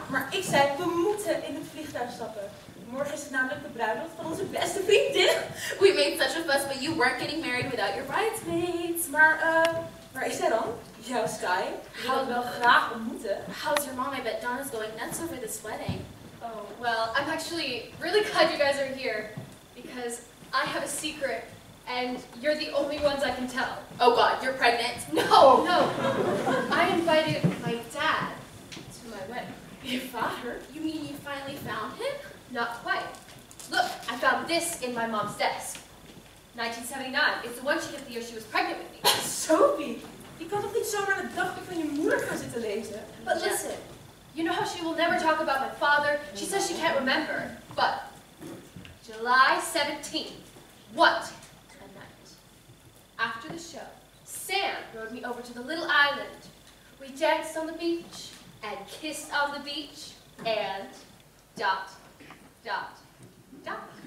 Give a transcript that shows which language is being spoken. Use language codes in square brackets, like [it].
[nl] Ik zei, we moeten in het vliegtuig stappen. Morgen is het namelijk de bruiloft van onze beste vriendin. [en] We made such a fuss, but you weren't getting married without your bridesmaids. [nl] Maar, waar is zij dan? Jouw Sky. Ik wil graag ontmoeten. [en] How's your mom? I bet Donna's going nuts over this wedding. Oh, well, I'm actually really glad you guys are here. Because I have a secret, and you're the only ones I can tell. Oh god, you're pregnant? No, no. I invited my dad to my wedding. Your father? You mean you finally found him? Not quite. Look, I found this in my mom's desk. 1979. It's the one she kept the year she was pregnant with me. Sophie, you can't even [nl] zo naar het dagboek van je moeder gaan zitten lezen. [en] But listen, you know how she will never talk about my father? She says she can't remember. But July 17th. What a night. After the show, Sam rode me over to the little island. We danced on the beach. And kissed on the beach, and dot, dot, dot.